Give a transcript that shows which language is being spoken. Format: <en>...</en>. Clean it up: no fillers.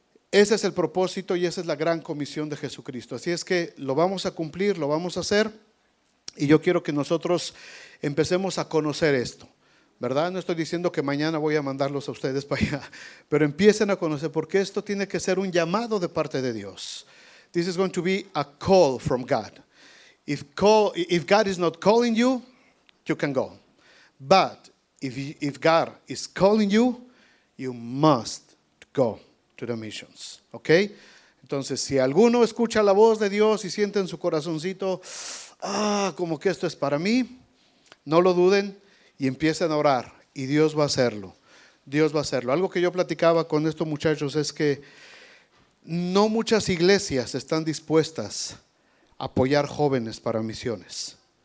<es>Ese es el propósito y esa es la gran comisión de Jesucristo. Así es que lo vamos a cumplir, lo vamos a hacer, y yo quiero que nosotros empecemos a conocer esto, ¿verdad? No estoy diciendo que mañana voy a mandarlos a ustedes para allá, pero empiecen a conocer, porque esto tiene que ser un llamado de parte de Dios.</es> <en>This is going to be a call from God. If God is not calling you, you can go. But if God is calling you, you must go to the missions, okay?</en> <es>Entonces, si alguno escucha la voz de Dios y siente en su corazoncito, como que esto es para mí, no lo duden y empiecen a orar, y Dios va a hacerlo, Dios va a hacerlo. Algo que yo platicaba con estos muchachos es que no muchas iglesias están dispuestas a apoyar jóvenes para misiones.</es>